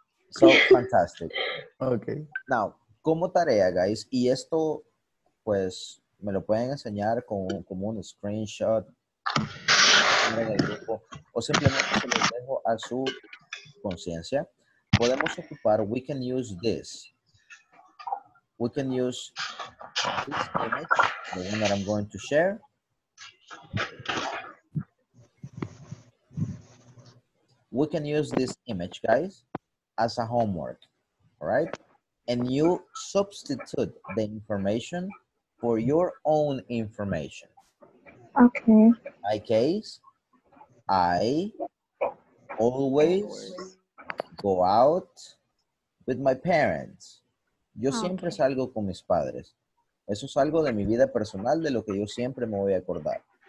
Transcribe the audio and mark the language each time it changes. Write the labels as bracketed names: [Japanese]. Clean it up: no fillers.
[English] So, fantastic. Okay. [Spanish] Now, como tarea, guys, y esto, pues, me lo pueden enseñar como un screenshot en el grupo, o simplemente se lo dejo a su conciencia. Podemos ocupar, [English] we can use this. We can use this image, the one that I'm going to share. We can use this image, guys, as a homework, all right? And you substitute the information for your own information. Okay. In my case, I always go out with my parents. [Spanish] Siempre salgo con mis padres. Eso es algo de mi vida personal, de lo que yo siempre me voy a acordar.